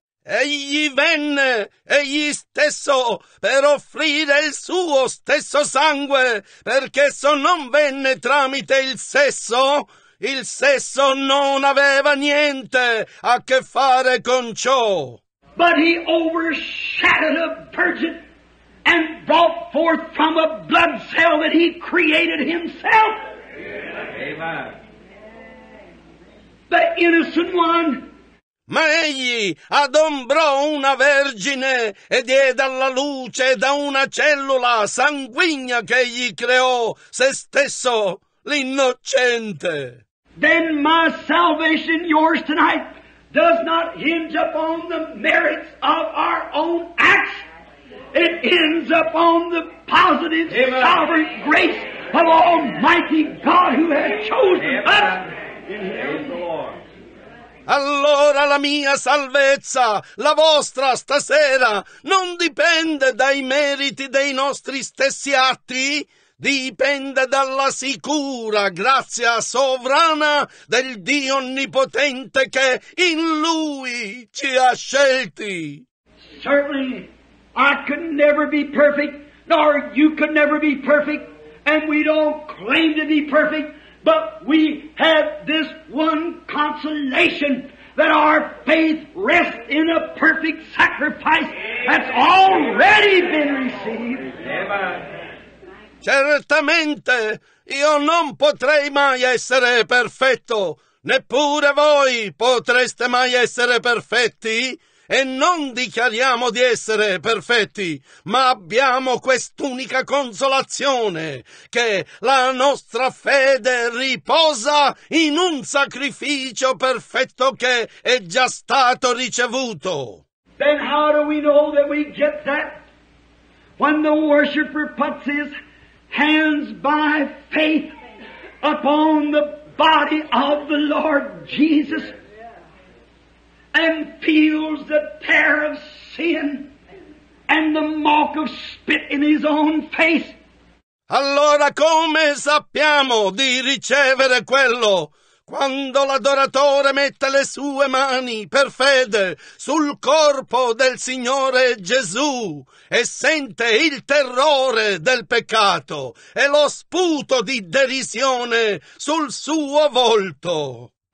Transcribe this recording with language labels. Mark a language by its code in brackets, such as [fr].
[it] Egli venne, egli stesso, per offrire il suo stesso sangue, perché esso non venne tramite il sesso. Il sesso non aveva niente a che fare con ciò. [en] But he overshadowed a virgin and brought forth from a blood cell that he created himself. Amen. The innocent one. [it] Ma egli adombrò una vergine e diede alla luce da una cellula sanguigna che egli creò se stesso, l'innocente. [en] Then my salvation, yours tonight, does not hinge upon the merits of our own acts. It ends upon the positive, amen, sovereign grace of Almighty God who has chosen, amen, us. Amen. [it] Allora la mia salvezza, la vostra stasera, non dipende dai meriti dei nostri stessi atti, dipende dalla sicura grazia sovrana del Dio onnipotente che in Lui ci ha scelti. [en] Certainly. I could never be perfect, nor you could never be perfect, and we don't claim to be perfect, but we have this one consolation that our faith rests in a perfect sacrifice that's already been received. [it] Certamente, io non potrei mai essere perfetto, neppure voi potreste mai essere perfetti. E non dichiariamo di essere perfetti, ma abbiamo quest'unica consolazione, che la nostra fede riposa in un sacrificio perfetto che è già stato ricevuto. [en] Then how do we know that we get that? When the worshiper puts his hands by faith upon the body of the Lord Jesus and feels the tear of sin and the mark of spit in his own face. [it] Allora come sappiamo di ricevere quello? Quando l'adoratore mette le sue mani per fede sul corpo del Signore Gesù e sente il terrore del peccato e lo sputo di derisione sul suo volto.